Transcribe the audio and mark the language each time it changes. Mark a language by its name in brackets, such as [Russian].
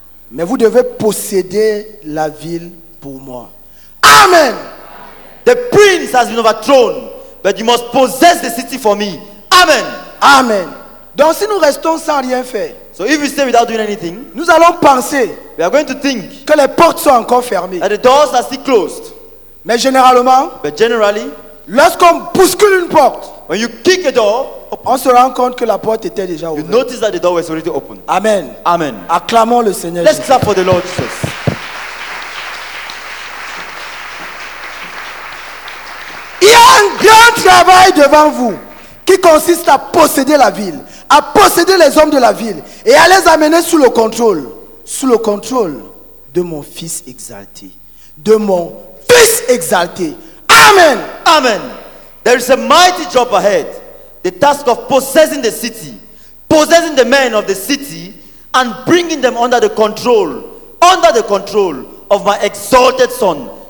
[French] Mais vous devez posséder la ville pour moi. Amen. [English] The prince has been overthrown. But you must possess the city for me. Amen. [French] Amen. Donc si nous restons sans rien faire, [English] so if we stay without doing anything, [French] nous allons penser, [English] we are going to think, [French] que les portes sont encore fermées, [English] that the doors are still closed. [French] Mais généralement, [English] but generally, [French] lorsqu'on bouscule une porte, [English] when you kick a door, [French] on se rend compte que la porte était déjà ouverte. [English] You notice that the door was already open. Amen. Amen. [French] Acclamons le Seigneur. [English] Let's clap for the Lord Jesus. [French] Il y a un grand travail devant vous qui consiste à posséder la ville, à posséder les hommes de la ville et à les amener sous le contrôle de mon fils exalté, de mon fils exalté. Amen. Amen. [English] There is a mighty job ahead, the task of possessing the city, possessing the men of the city and bringing them under the control of my exalted son.